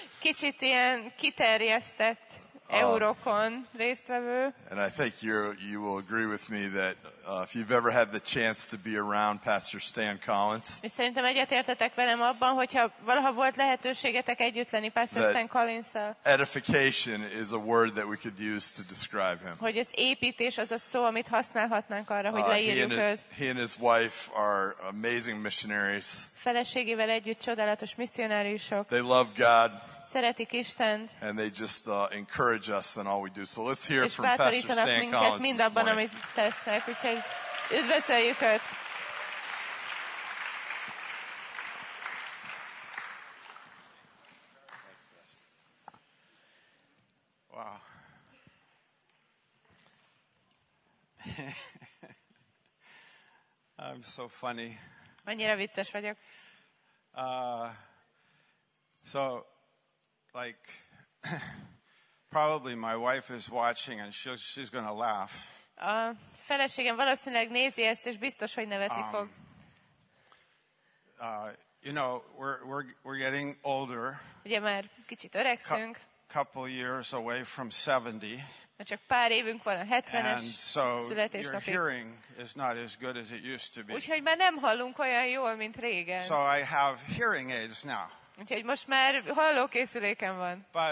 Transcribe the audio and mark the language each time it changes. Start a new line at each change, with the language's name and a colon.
Hungarian: Kicsit ilyen kiterjesztett Eurokon résztvevő.
English: And I think you will agree with me that if you've ever had the chance to be around Pastor Stan Collins.
Hungarian: És szerintem egyetértetek velem abban, hogyha valaha volt lehetőségetek együtt lenni Pastor Stan Collins-szal.
English: Edification is a word that we could use to describe him.
Hungarian: Hogy az építés az a szó, amit használhatnánk arra, hogy leírjuk őt.
English: He and his wife are amazing missionaries.
Hungarian: Feleségével együtt csodálatos misszionáriusok.
English: They love God.
Hungarian: Szeretik Istent.
English: And they just encourage us in all we do. So let's hear from Pastor Stan Collins.
Hungarian: És bátorítanak minket mindabban, amit tesznek. Úgyhogy üdvözöljük őt.
English: Wow. I'm so funny.
Hungarian: Annyira vicces vagyok.
English: Like probably my wife is watching and she's going to laugh.
Hungarian: A feleségem valószínűleg nézi ezt és biztos, hogy nevetni fog.
English: You know, we're getting older.
Hungarian: Ugye már kicsit öregszünk.
English: Couple years away from 70.
Hungarian: Na csak pár évünk van a 70-es születésnapig.
English: Your hearing is not as good as it used to be.
Hungarian: Úgyhogy már nem hallunk olyan jól, mint régen.
English: So I have hearing aids now.
Hungarian: Úgyhogy most már hallókészüléken van.